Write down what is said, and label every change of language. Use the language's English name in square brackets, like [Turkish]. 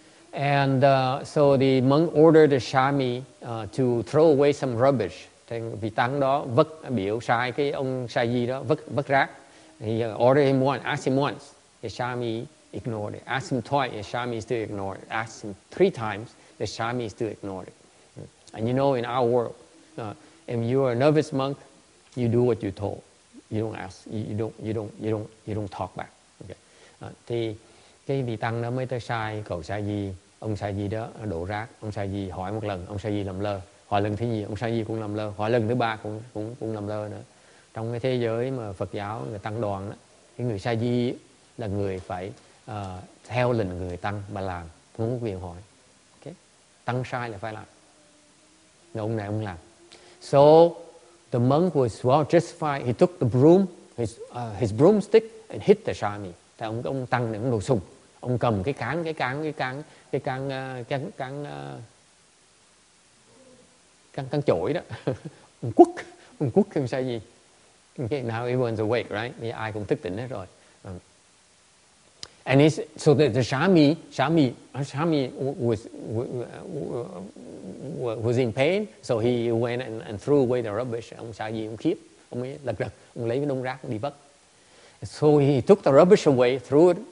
[English] And so the monk ordered the shami to throw away some rubbish. [Vietnamese] Thì vị tăng đó vứt biểu sai cái ông sa di đó vứt rác. [English] He ordered him once, asked him once. The shami ignored it. Asked him twice, the shami still ignored it. Asked him three times, the shami still ignored it. And you know, in our world, if you are a novice monk, you do what you're told. You don't ask. You don't talk back. Okay. [Vietnamese] Thì cái vị tăng đó mới tới sai cầu sa di. Ông sa di đó đổ rác. Ông sa di hỏi một lần, ông sa di làm lơ. Hỏi lần thứ nhì, ông sa di cũng làm lơ. Hỏi lần thứ ba cũng làm lơ nữa. Trong cái thế giới mà Phật giáo người tăng đoàn đó, cái người sa di là người phải theo lệnh người tăng mà làm, không có quyền hỏi. Okay. Tăng sai là phải làm. Nên ông này ông làm. [English] So the monk was well justified. He took the broom, his broomstick, and hit the shami. [Vietnamese] Thì ông tăng này cũng đồ sùng. Ông cầm cái cán chổi đó. ông quất không sai gì. [English] Okay, now everyone's awake, right? [Vietnamese] Thì ai cũng thức tỉnh hết rồi. [English] And it's, so the shami was in pain, so he went and threw away the rubbish. [Vietnamese] Ông sa di ông khiếp, ông ấy lật, ông lấy cái đống rác đi vất. [English] So he took the rubbish away, threw it.